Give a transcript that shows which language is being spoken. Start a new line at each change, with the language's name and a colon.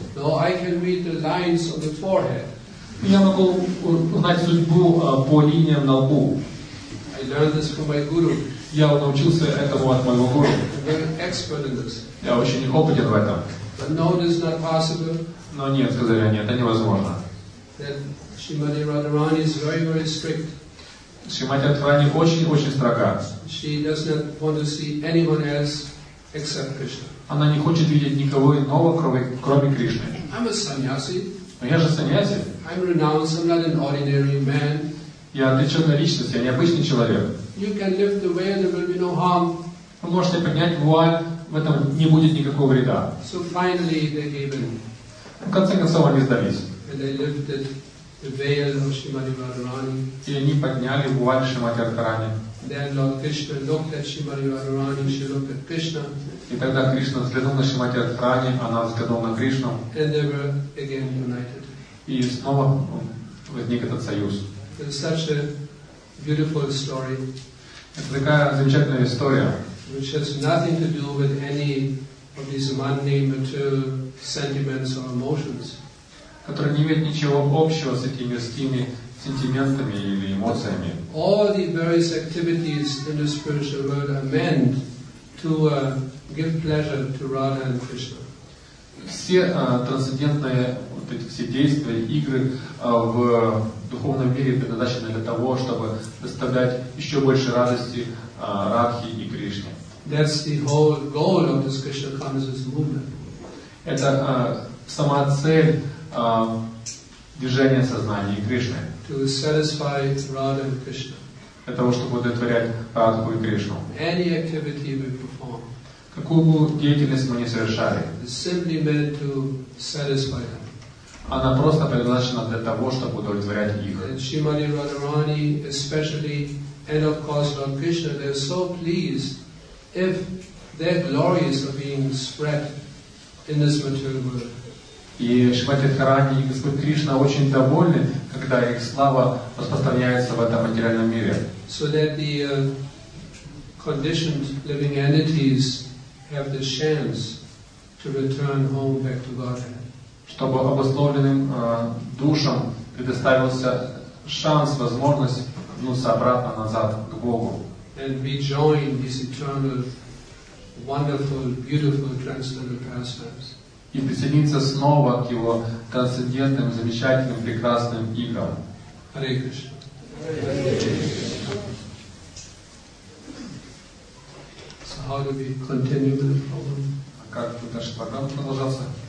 English: No, I can read the lines on the forehead.
Russian: Я могу узнать судьбу по линиям на лбу.
English: I learned this from my guru.
Russian: Я научился этому от моего гуру.
English: I'm very expert in this.
Russian: Я очень опытен в этом.
English: But no, this is not possible.
Russian: Но нет, сказали они, это невозможно.
English: That Shrimati Radharani is very, very strict.
Russian: Шримати Радхарани очень-очень строга.
English: She does not want to see anyone else except Krishna.
Russian: Она не хочет видеть никого иного, кроме Кришны.
English: I'm a sannyasi.
Russian: Но я же sannyasi.
English: I'm renounced, I'm not an ordinary man.
Russian: Я отличенная личность, я необычный человек.
English: You can lift the veil, there will be no harm.
Russian: Вы можете поднять вуаль, в этом не будет никакого вреда.
English: So finally they gave in.
Russian: В конце концов они сдались.
English: And they lifted the veil of Shrimati Radharani.
Russian: И они подняли вуаль Шримати Радхарани.
English: Then Lord Krishna looked at Shrimati Radharani, she looked at Krishna.
Russian: И тогда Кришна взглянул на Шримати Радхарани, она взглянула на Кришну.
English: And they were again united.
Russian: И снова возник этот союз.
English: It is such a beautiful story.
Russian: Это такая замечательная история.
English: Which has nothing to do with any of these mundane material sentiments or emotions.
Russian: Которая не имеет ничего общего с этими мирскими сентиментами или эмоциями.
English: All the various activities in the spiritual world are meant to give pleasure to Radha and Krishna.
Russian: Все трансцендентные эти все действия, игры в духовном мире предназначены для того, чтобы доставлять еще больше радости Радхе и Кришне.
English: That's the whole goal of this Krishna consciousness movement.
Russian: Это сама цель движения сознания Кришны.
English: To satisfy Radha and Krishna.
Russian: Для того, чтобы удовлетворять Радху и Кришну.
English: Any activity we perform.
Russian: Какую бы деятельность мы ни совершали.
English: Simply meant to satisfy them.
Russian: Она просто предназначена для того, чтобы удовлетворять их.
English: Шримати Радхарани, especially, and of course Lord Krishna, they are so pleased if their glories are being spread in this material world.
Russian: И Шримати Радхарани и Господь Кришна очень довольны, когда их слава распространяется в этом материальном мире.
English: So that the conditioned living entities have the chance to return home back to Godhead.
Russian: Чтобы обусловленным душам предоставился шанс, возможность вернуться обратно назад к Богу.
English: And we join these eternal, wonderful, beautiful transcendental pastimes.
Russian: И присоединиться снова к его трансцендентным, замечательным, прекрасным играм.
English: Hare Krishna. So how do we continue with the problem?
Russian: А как тут наша программа продолжаться?